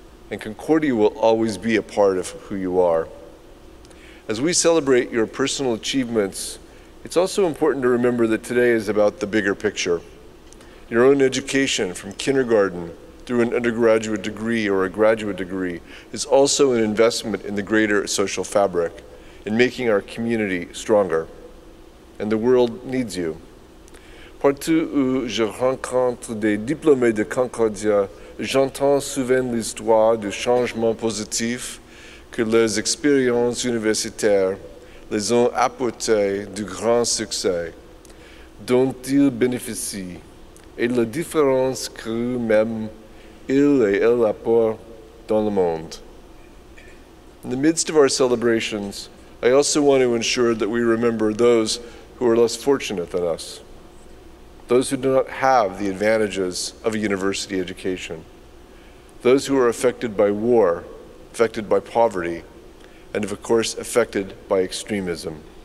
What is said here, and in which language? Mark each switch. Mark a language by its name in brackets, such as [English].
[English] And Concordia will always be a part of who you are. As we celebrate your personal achievements, it's also important to remember that today is about the bigger picture. Your own education from kindergarten through an undergraduate degree or a graduate degree is also an investment in the greater social fabric, in making our community stronger. And the world needs you. [French] Partout où je rencontre des diplômés de Concordia, j'entends souvent l'histoire du changement positif que leurs expériences universitaires les ont apportées du grand succès dont ils bénéficient et la différence qu'eux-mêmes ils et elles apportent dans le monde. [English] In the midst of our celebrations, I also want to ensure that we remember those who are less fortunate than us, those who do not have the advantages of a university education, those who are affected by war, affected by poverty, and of course, affected by extremism.